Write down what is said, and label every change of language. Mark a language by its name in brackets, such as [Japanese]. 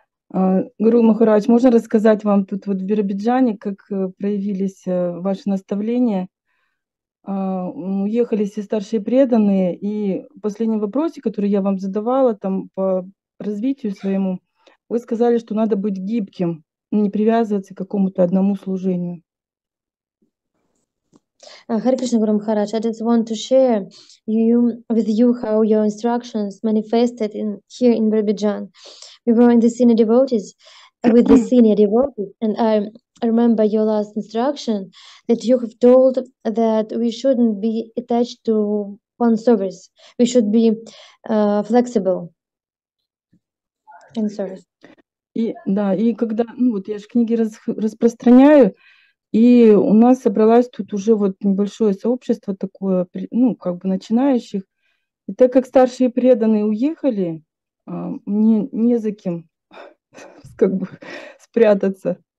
[Russian] Гуру Махарадж, можно рассказать вам тут вот в Биробиджане, как проявились ваши наставления? Уехали все старшие преданные, и в последнем вопросе, который я вам задавала там по развитию своему, вы сказали, что надо быть гибким, не привязываться к какому-то одному служению. [English] Hare Krishna Guru Maharaj, I just want to share with you how your instructions manifested in here in Biribidjan. We were in the senior devotees with the senior devotees, and I remember your last instruction that you have told that we shouldn't be attached to one service. We should be flexible in service. [Russian] И да, и когда, ну вот я же книги распространяю. И у нас собралось тут уже вот небольшое сообщество такое, ну, как бы начинающих. И так как старшие преданные уехали, мне не за кем как бы спрятаться.